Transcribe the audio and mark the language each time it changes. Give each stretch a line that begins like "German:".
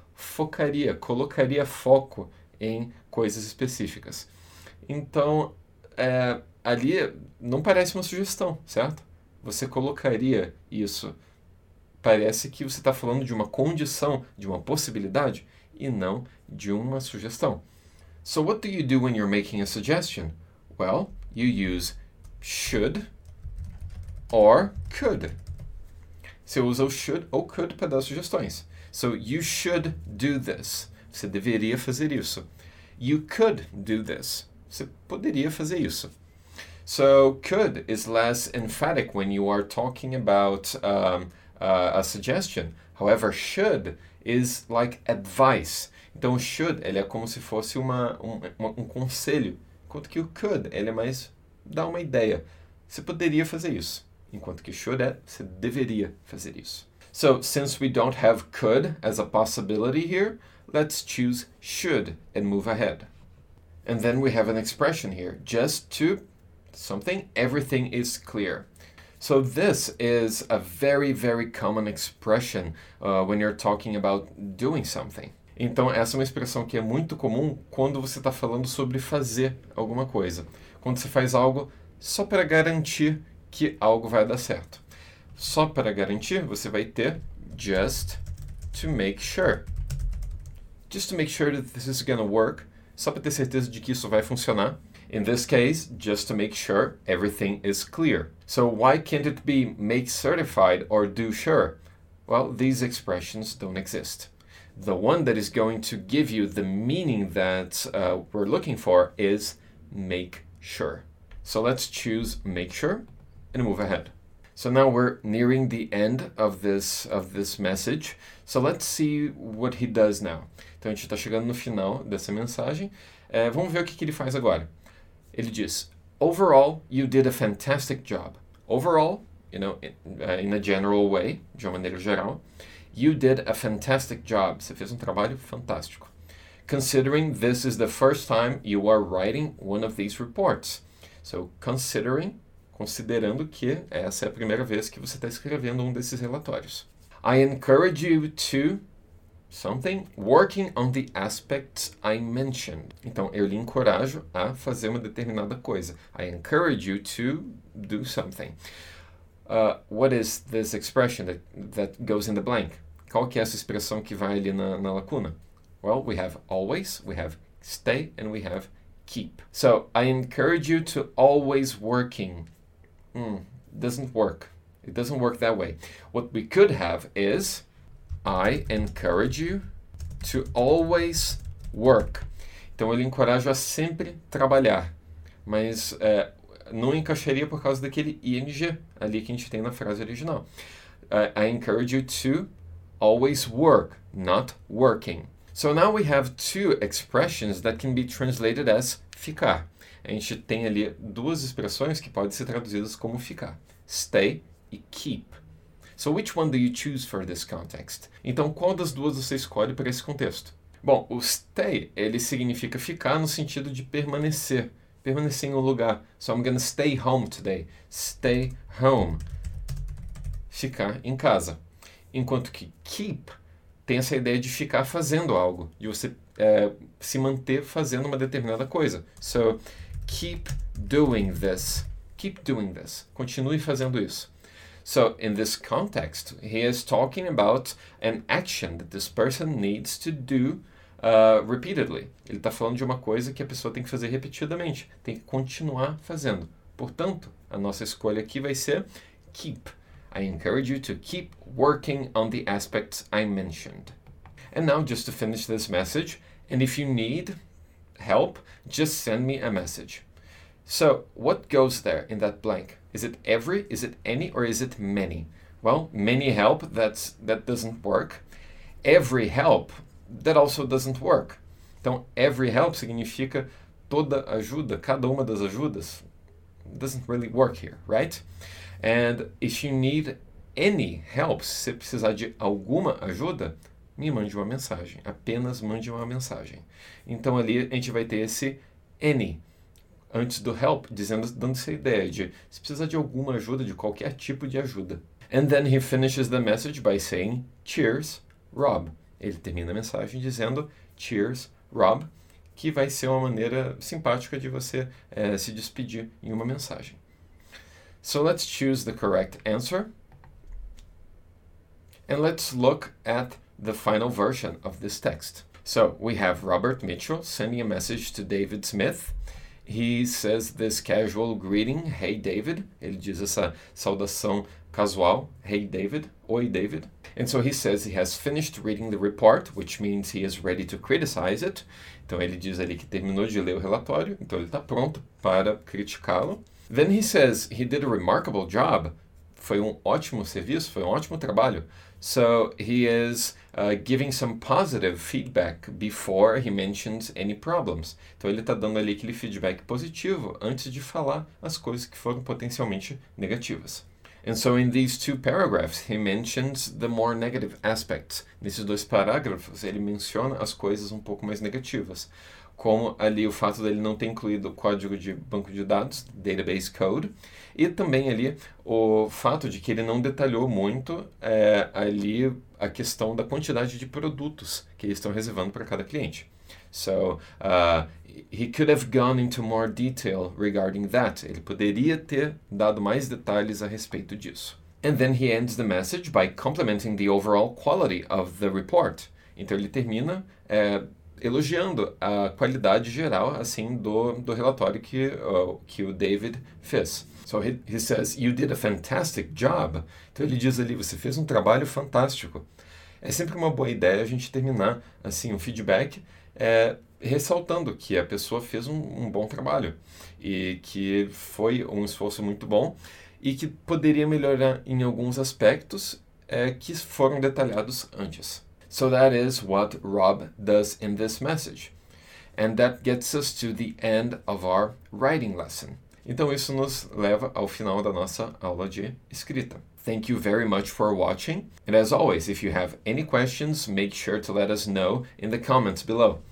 Portuguese: focaria, colocaria foco em coisas específicas. Então, ali não parece uma sugestão, certo? Você colocaria isso. Parece que você está falando de uma condição, de uma possibilidade, e não de uma sugestão.
English: So, what do you do when you're making a suggestion? Well, you use should or could.
Portuguese: Você usa o should ou could para dar sugestões.
English: So, you should do this.
Portuguese: Você deveria fazer isso.
English: You could do this.
Portuguese: Você poderia fazer isso.
English: So, could is less emphatic when you are talking about a suggestion. However, should is like advice.
Portuguese: Então, should, ele é como se fosse um conselho. Enquanto que o could, ele é mais dá uma ideia. Você poderia fazer isso. Enquanto que should é você deveria fazer isso.
English: So, since we don't have could as a possibility here, let's choose should and move ahead. And then we have an expression here, just to something, everything is clear. So, this is a very, very common expression when you're talking about doing something.
Portuguese: Então, essa é uma expressão que é muito comum quando você está falando sobre fazer alguma coisa. Quando você faz algo só para garantir que algo vai dar certo. Só para garantir, você vai ter
English: just to make sure.
Portuguese: Just to make sure that this is gonna work. Só para ter certeza de que isso vai funcionar.
English: In this case, just to make sure everything is clear. So why can't it be make certified or do sure? Well, these expressions don't exist. The one that is going to give you the meaning that we're looking for is make sure. So let's choose make sure and move ahead. So now we're nearing the end of this message. So let's see what he does now.
Portuguese: Então a gente está chegando no final dessa mensagem. Vamos ver o que que ele faz agora. Ele diz,
English: overall, you did a fantastic job. Overall, in a general way,
Portuguese: de uma maneira geral,
English: you did a fantastic job.
Portuguese: Você fez um trabalho fantástico.
English: Considering this is the first time you are writing one of these reports.
Portuguese: So, considerando que essa é a primeira vez que você está escrevendo um desses relatórios.
English: I encourage you to something, working on the aspects I mentioned.
Portuguese: Então, eu lhe encorajo a fazer uma determinada coisa.
English: I encourage you to do something. What is this expression that goes in the blank?
Portuguese: Qual que é essa expressão que vai ali na lacuna?
English: Well, we have always, we have stay, and we have keep. So, I encourage you to always working. Doesn't work. It doesn't work that way. What we could have is I encourage you to always work.
Portuguese: Então, eu lhe encorajo a sempre trabalhar. Mas não encaixaria por causa daquele ing ali que a gente tem na frase original.
English: I encourage you to always work, not working. So now we have two expressions that can be translated as ficar.
Portuguese: A gente tem ali duas expressões que podem ser traduzidas como ficar: stay e keep.
English: So, which one do you choose for this context?
Portuguese: Então, qual das duas você escolhe para esse contexto? Bom, o stay, ele significa ficar no sentido de permanecer. Permanecer em um lugar.
English: So, I'm gonna stay home today. Stay home.
Portuguese: Ficar em casa. Enquanto que keep tem essa ideia de ficar fazendo algo. De você se manter fazendo uma determinada coisa.
English: So, keep doing this. Keep doing this.
Portuguese: Continue fazendo isso.
English: So, in this context, he is talking about an action that this person needs to do repeatedly.
Portuguese: Ele está falando de uma coisa que a pessoa tem que fazer repetidamente, tem que continuar fazendo. Portanto, a nossa escolha aqui vai ser keep.
English: I encourage you to keep working on the aspects I mentioned. And now, just to finish this message, and if you need help, just send me a message. So, what goes there in that blank? Is it every? Is it any? Or is it many? Well, many help, that doesn't work. Every help, that also doesn't work.
Portuguese: Então, every help significa toda ajuda, cada uma das ajudas.
English: Doesn't really work here, right? And if you need any help,
Portuguese: se você precisar de alguma ajuda, me mande uma mensagem. Apenas mande uma mensagem. Então, ali a gente vai ter esse any. Antes do help, dando essa ideia de se precisar de alguma ajuda, de qualquer tipo de ajuda.
English: And then he finishes the message by saying, Cheers, Rob.
Portuguese: Ele termina a mensagem dizendo Cheers, Rob, que vai ser uma maneira simpática de você se despedir em uma mensagem.
English: So let's choose the correct answer. And let's look at the final version of this text. So we have Robert Mitchell sending a message to David Smith. He says this casual greeting, Hey David.
Portuguese: Ele diz essa saudação casual, Hey David, Oi David.
English: And so he says he has finished reading the report, which means he is ready to criticize it.
Portuguese: Então ele diz ali que terminou de ler o relatório, então ele está pronto para criticá-lo.
English: Then he says he did a remarkable job.
Portuguese: Foi um ótimo serviço, foi um ótimo trabalho.
English: So he is giving some positive feedback before he mentions any problems.
Portuguese: Então ele está dando ali aquele feedback positivo antes de falar as coisas que foram potencialmente negativas.
English: And so in these two paragraphs, he mentions the more negative aspects.
Portuguese: Nesses dois parágrafos, ele menciona as coisas um pouco mais negativas, como ali o fato dele não ter incluído o código de banco de dados, database code, e também ali o fato de que ele não detalhou muito ali a questão da quantidade de produtos que eles estão reservando para cada cliente.
English: So, he could have gone into more detail regarding that.
Portuguese: Ele poderia ter dado mais detalhes a respeito disso.
English: And then he ends the message by complimenting the overall quality of the report.
Portuguese: Então ele termina elogiando a qualidade geral assim do relatório que o David fez.
English: So he says, You did a fantastic job.
Portuguese: Então ele diz ali, você fez um trabalho fantástico. É sempre uma boa ideia a gente terminar assim um feedback ressaltando que a pessoa fez um bom trabalho e que foi um esforço muito bom e que poderia melhorar em alguns aspectos que foram detalhados antes.
English: So that is what Rob does in this message. And that gets us to the end of our writing lesson.
Portuguese: Então isso nos leva ao final da nossa aula de escrita.
English: Thank you very much for watching. And as always, if you have any questions, make sure to let us know in the comments below.